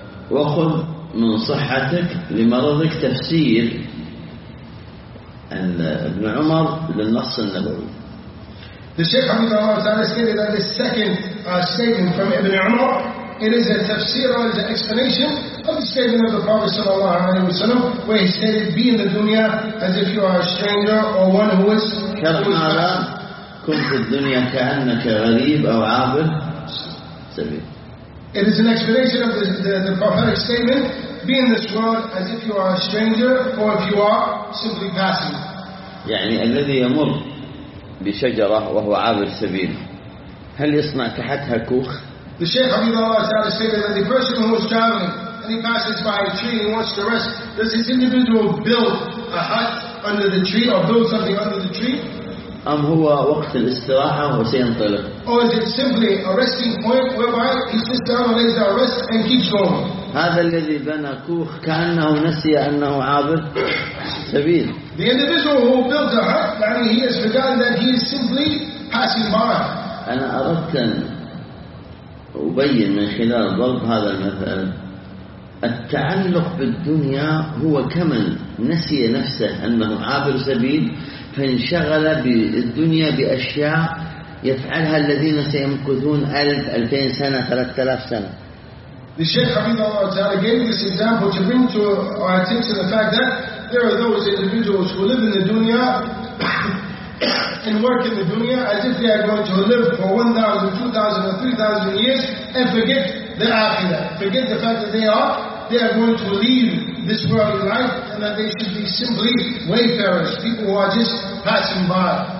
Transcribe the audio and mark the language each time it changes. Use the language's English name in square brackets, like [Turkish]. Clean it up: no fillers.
[Arabic] وخذ من صحتك لمرضك تفسير ابن عمر للنص النبوي. [English] The Sheikh Abu Dawud Ta'ala stated that the second statement from Ibn Umar, it is a tafsir or the explanation of the statement of the Prophet sallallahu alaihi wasallam, where he stated, "Be in the dunya as if you are a stranger or one who is." [Arabic] Kalimara, kum fi dunya ka'anna ka gharib aw 'abid sabil. [English] It is an explanation of the prophetic statement, "Be in this world as if you are a stranger or if you are simply passing." [Arabic] يعني الذي يمر بشجرة وهو عابر سبيل هل يصنع تحتها كوخ؟ [English] The Sheikh Abu Dawud Ta'ala stated that the person who is traveling and he passes by a tree and wants to rest, does this individual build a hut under the tree or build something under the tree? [Arabic] أم هو وقت الاستراحة وسينطلق؟ [English] Or is it simply a resting point whereby he sits down and lays down rest and keeps going? [Arabic] هذا الذي بنى كوخ كأنه نسي أنه عابر سبيل. [English] The individual who builds a hut, يعني he has forgotten that he is simply passing by. [Arabic] أنا أردت أن أبين من خلال ضرب هذا المثال التعلق بالدنيا هو كمن نسي نفسه أنه عابر سبيل فانشغل بالدنيا بأشياء يفعلها الذين سيمكثون 1,000 سنة 3,000 سنة. [English] The Sheikh Hafidhullah Ta'ala gave this example to bring to our attention the fact that there are those individuals who live in the dunya and work in the dunya as if they are going to live for 1,000, 2,000, or 3,000 years and forget the akhirah, forget the fact that they are going to leave this world in life and that they should be simply wayfarers, people who are just passing by.